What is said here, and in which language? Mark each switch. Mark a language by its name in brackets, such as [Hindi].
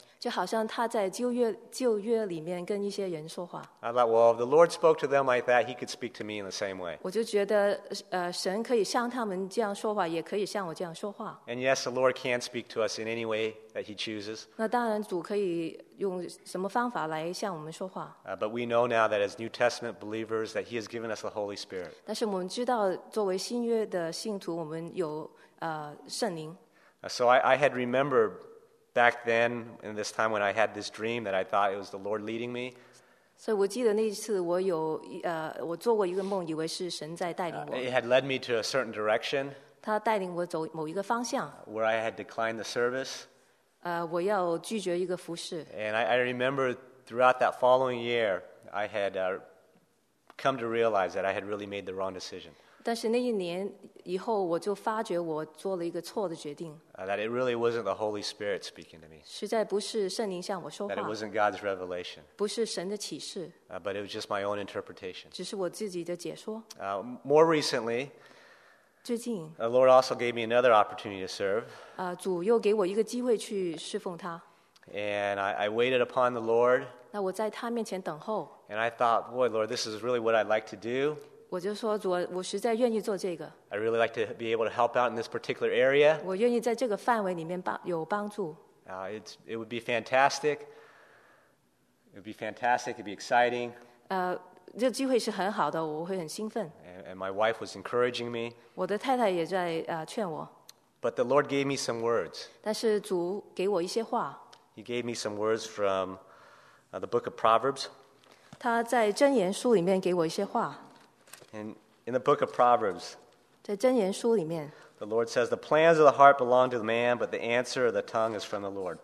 [Chinese] 就好像他在旧约里面跟一些人说话。 [English] I thought, well, if the Lord spoke to them like that, he could speak to me in the same way. [Chinese] 我就觉得，神可以像他们这样说话，也可以像我这样说话。 [English] And yes, the Lord can speak to us in any way that he chooses. [Chinese] 那当然，主可以用什么方法来向我们说话。 [English] But we know now that as New Testament believers, that he has given us the Holy Spirit. [Chinese] 但是我们知道，作为新约的信徒，我们有圣灵。 [English] So I had remembered. Back then, in this time when I had this dream that I thought it was the Lord leading me. [Chinese] So, 我记得那次我有我做过一个梦，以为是神在带领我。 [English] It had led me to a certain direction. [Chinese] 他带领我走某一个方向。 [English] Where I had declined the service. [Chinese] 我要拒绝一个服事。 [English] And I remember throughout that following year, I had come to realize that I had really made the wrong decision. [Chinese] 但是那一年以后，我就发觉我做了一个错的决定。 [English] That it really wasn't the Holy Spirit speaking to me. [Chinese] 实在不是圣灵向我说话。 [English] That it wasn't God's revelation. [Chinese] 不是神的启示。 [English] But it was just my own interpretation. [Chinese] 只是我自己的解说。 [English] More recently, [Chinese] 最近 [English] ，The Lord also gave me another opportunity to serve. [Chinese] 主又给我一个机会去侍奉他。 [English] And I waited upon the Lord. [Chinese] 那我在他面前等候。 [English] And I thought, boy, Lord, this is really what I'd like to do. [Chinese] 我就说主，我实在愿意做这个。 [English] I really like to be able to help out in this particular area. [Chinese] 我愿意在这个范围里面有帮助。 [English] It would be fantastic. It would be fantastic. It'd be exciting. [Chinese] 这机会是很好的，我会很兴奋。 [English] And my wife was encouraging me. [Chinese] 我的太太也在劝我。 [English] But the Lord gave me some words. [Chinese] 但是主给我一些话。 [English] He gave me some words from the book of Proverbs. [Chinese] 他在箴言书里面给我一些话。 [English] In the book of Proverbs, [Chinese] 在箴言书里面 [English] the Lord says, the plans of the heart belong to the man, but the answer of the tongue is from the Lord.